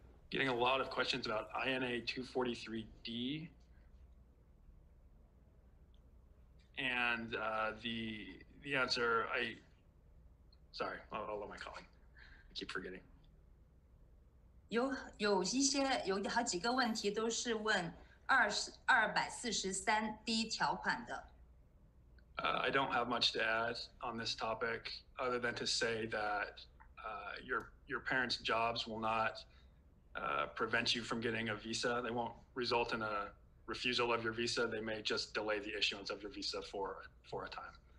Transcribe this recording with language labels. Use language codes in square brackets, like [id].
[en] Getting a lot of questions about INA 243D and the answer. I'll let my colleague. I keep forgetting. [zh] 有一些有好几个问题都是问243D 条款的。 [en] I don't have much to add on this topic, other than to say that your parents' jobs will not prevent you from getting a visa. They won't result in a refusal of your visa. They may just delay the issuance of your visa for a time.